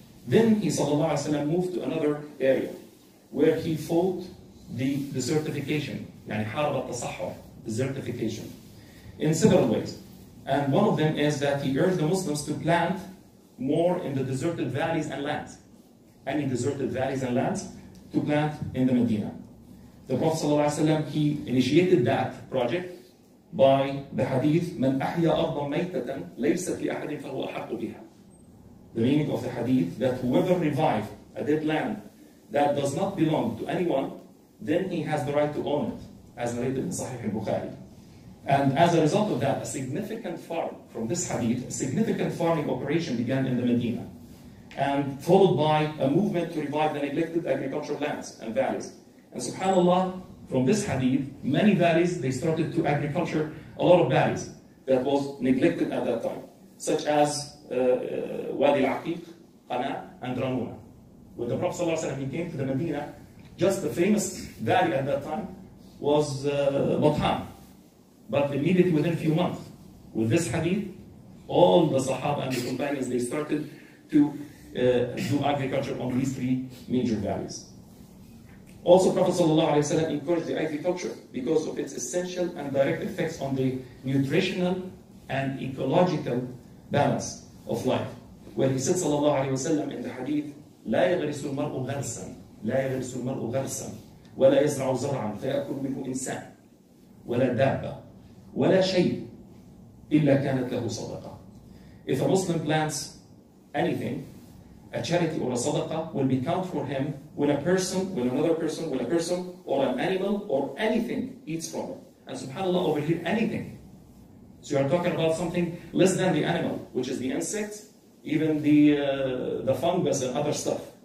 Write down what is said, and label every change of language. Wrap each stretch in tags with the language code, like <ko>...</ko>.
<en>Then he sallallahu alayhi wa sallam moved to another area where he fought the desertification,</en> <ar>يعني حارب التصحر,</ar> <en>desertification, in several ways. And one of them is that he urged the Muslims to plant more in the deserted valleys and lands. any deserted valleys and lands to plant in the Medina. The Prophet</en> <ar>صلى الله عليه وسلم,</ar> <en>he initiated that project by the hadith,</en> <ar>من أحيا أرضا ميتة ليست لأحد فهو أحق بها.</ar> <en>The meaning of the hadith, that whoever revived a dead land that does not belong to anyone, then he has the right to own it, as narrated in Sahih al-Bukhari. And as a result of that, a significant farm from this hadith, a significant farming operation began in the Medina, and followed by a movement to revive the neglected agricultural lands and valleys. And subhanAllah, from this hadith, many valleys, they started to agriculture, a lot of valleys that was neglected at that time, such as Wadi al-Aqiq, Qana, and Ramuna. When the Prophet sallallahu alaihi wasallam came to the Medina, just the famous valley at that time was Batham. But immediately within a few months, with this hadith, all the Sahaba and the companions, they started to do agriculture on these three major valleys. Also, Prophet sallallahu alaihi wasallam encouraged the agriculture because of its essential and direct effects on the nutritional and ecological balance of life. When he said sallallahu alaihi wasallam in the hadith,</en> <ar>لا يغرس المرء غرسا لا يغرس المرء غرسا ولا يزرع زرعا فيأكل منه إنسان ولا دابة ولا شيء إلا كانت له صدقة.</ar> <en>If a Muslim plants anything, a charity or a sadaqah will be counted for him when a person, when another person, when a person or an animal or anything eats from it. And subhanAllah, over here, anything. So you are talking about something less than the animal, which is the insect, even the fungus and other stuff.</en>